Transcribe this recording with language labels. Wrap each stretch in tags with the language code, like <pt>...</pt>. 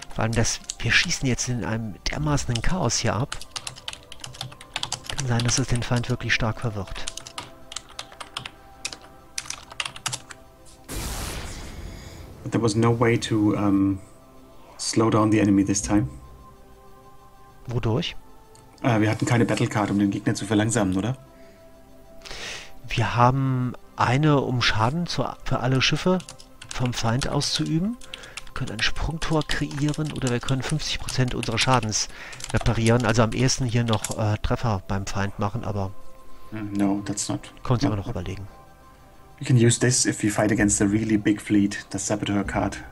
<de>Dass wir schießen jetzt in einem dermaßenen Chaos hier ab. Kann sein, dass es den Feind wirklich stark verwirrt.</de> <en>But there was no way to slow down the enemy this time.</en> <de>Wodurch? Wir hatten keine Battle Card, um den Gegner zu verlangsamen, oder? Wir haben eine, um Schaden für alle Schiffe vom Feind auszuüben. Wir können ein Sprungtor kreieren oder wir können 50% unseres Schadens reparieren. Also am ehesten hier noch Treffer beim Feind machen, aber...</de> <en>No, that's not...</en> <de>Können Sie aber noch überlegen.</de> <en>We can use this if we fight against a really big fleet, the Saboteur card.</en>